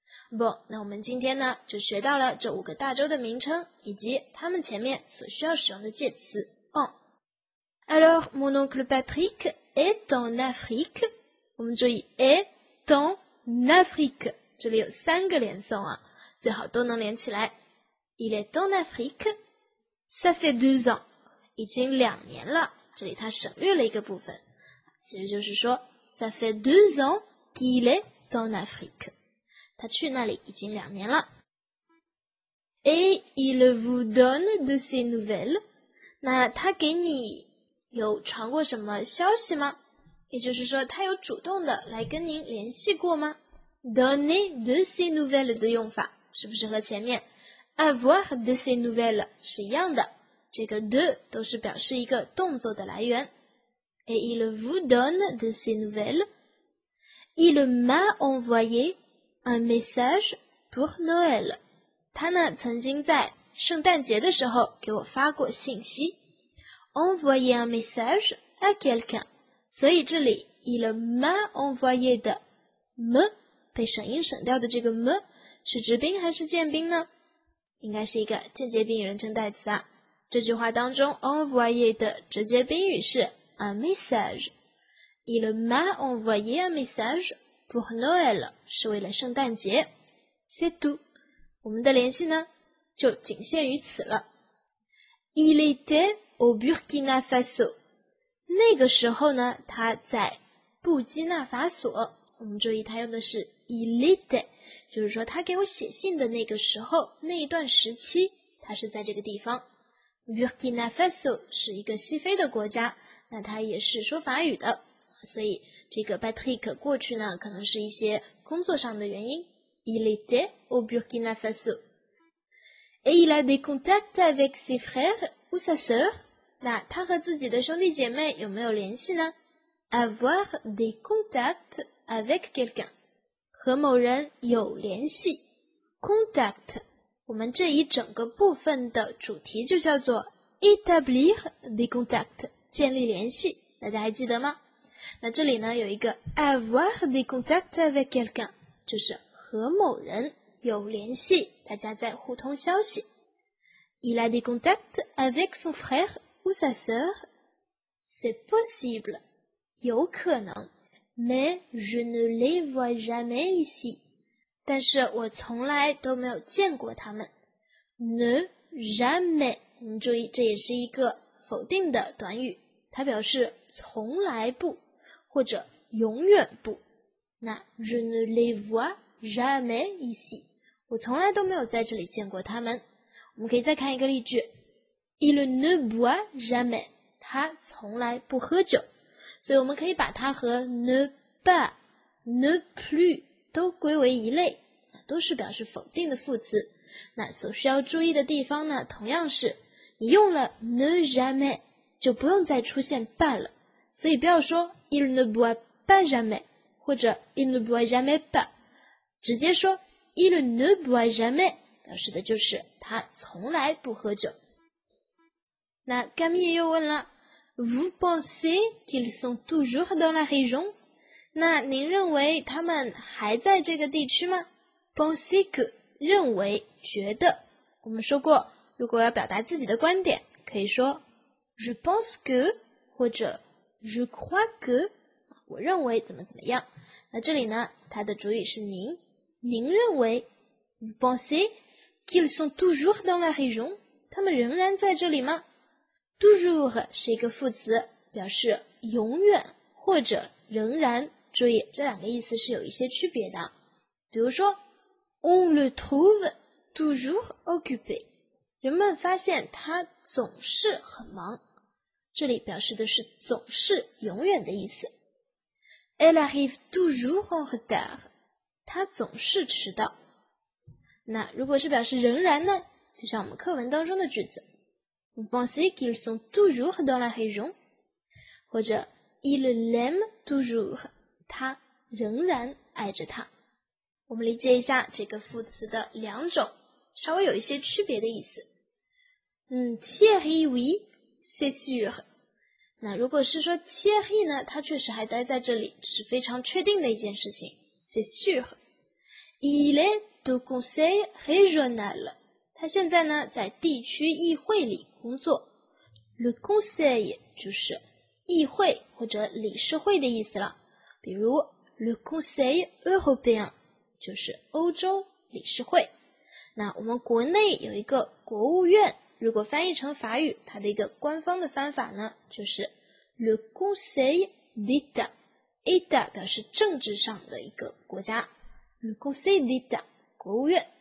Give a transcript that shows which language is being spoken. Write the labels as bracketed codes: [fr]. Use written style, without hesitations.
[zh] Bon， 那我们今天呢就学到了这五个大洲的名称以及他们前面所需要使用的介词 en。 [fr] Alors mon oncle PatrickEst en Afrique， [zh] 我们注意 [fr] est en Afrique， [zh] 这里有三个连诵啊，最好都能连起来。 [fr] Il est en Afrique， ça fait deux ans， [zh] 已经两年了。这里它省略了一个部分，其实就是说 [fr] ça fait deux ans qu'il est en Afrique， [zh] 他去那里已经两年了。 [fr] Et il vous donne de ses nouvelles， [zh] 那他给你有传过什么消息吗？也就是说他有主动的来跟您联系过吗？ [fr] Donner de ses nouvelles [zh] 的用法是不是和前面 [fr] avoir de ses nouvelles [zh] 是一样的？这个 de 都是表示一个动作的来源。 [fr] Et il vous donne de ses nouvelles. Il m'a envoyé un message pour Noël. [zh] 他呢曾经在圣诞节的时候给我发过信息。 [fr] Envoyer un message à quelqu'un. [zh] 所以这里 [fr] il m'a envoyé [zh] 的 me 被省音省掉的这个 me 是直宾还是间宾呢？应该是一个间接宾语人称代词啊。这句话当中 envoyer 的直接宾语是 [fr] un message. Il m'a envoyé un message pour Noël [zh] 是为了圣诞节。 [fr] C'est tout. [zh] 我们的联系呢就仅限于此了。 [fr] Il était au Burkina Faso， [zh] 那个时候呢他在布基纳法索。我们注意他用的是 [fr] il était， [zh] 就是说他给我写信的那个时候那一段时期他是在这个地方。 Burkina Faso 是一个西非的国家，那他也是说法语的，所以这个 Patrick 过去呢可能是一些工作上的原因。 [fr] il était au Burkina Faso et il a des contacts avec ses frères ou sa sœur， [zh] 那他和自己的兄弟姐妹有没有联系呢？ [fr] avoir des contacts avec quelqu'un， [zh] 和某人有联系。 contact， 我们这一整个部分的主题就叫做 [fr] établir des contacts， [zh] 建立联系，大家还记得吗？那这里呢有一个 [fr] avoir des contacts avec quelqu'un， [zh] 就是和某人有联系，大家在互通消息。 [fr] Il a des contacts avec son frère ou sa sœur. C'est possible. [zh] 有可能。 [fr] Mais je ne les vois jamais ici. [zh] 但是我从来都没有见过他们。 [fr] Ne jamais. [zh] 你注意，这也是一个否定的短语。它表示从来不或者永远不。 [fr] 那 je ne les vois jamais ici. [zh] 我从来都没有在这里见过他们。我们可以再看一个例句。 [fr] Il ne boit jamais. [zh] 他从来不喝酒。所以我们可以把它和 ne pas, ne plus 都归为一类，都是表示否定的副词。那所需要注意的地方呢，同样是你用了 ne jamais 就不用再出现 pas 了，所以不要说 [fr] il ne boit pas jamais [zh] 或者 [fr] il ne boit jamais pas， [zh] 直接说 [fr] il ne boit jamais [zh] 表示的就是他从来不喝酒。那 Camille 又问了， [fr] Vous pensez qu'ils sont toujours dans la région? [zh] 那您认为他们还在这个地区吗？ Pensez que, 认为觉得。我们说过，如果要表达自己的观点，可以说 [fr] Je pense que, [zh] 或者 [fr] Je crois que, [zh] 我认为怎么怎么样。那这里呢，它的主语是您。您认为 [fr] Vous pensez qu'ils sont toujours dans la région? [zh] 他们仍然在这里吗？ Toujours 是一个副词，表示永远或者仍然。注意，这两个意思是有一些区别的。 [fr] 比如说 On le trouve toujours occupé. [zh] 人们发现他总是很忙。这里表示的是总是永远的意思。 [fr] Elle arrive toujours en retard. [zh] 他总是迟到。那如果是表示仍然呢？就像我们课文当中的句子。 [fr] Vous pensez qu'ils sont toujours dans la région? 或者 Il l'aime toujours. [zh] 他仍然爱着他。我们理解一下这个副词的两种稍微有一些区别的意思。 [fr] Thierry, oui, c'est sûr. [zh] 那如果是说 Thierry 呢，他确实还待在这里，这是非常确定的一件事情。 [fr] C'est sûr. Il est du conseil régional. [zh] 他现在呢，在地区议会里。工作 Le conseil 就是议会或者理事会的意思了，比如 [fr] Le conseil européen [zh] 就是欧洲理事会。那我们国内有一个国务院，如果翻译成法语，它的一个官方的翻法呢，就是 [fr] Le conseil d'état， [zh] état 表示政治上的一个国家， Le conseil d'état 国务院。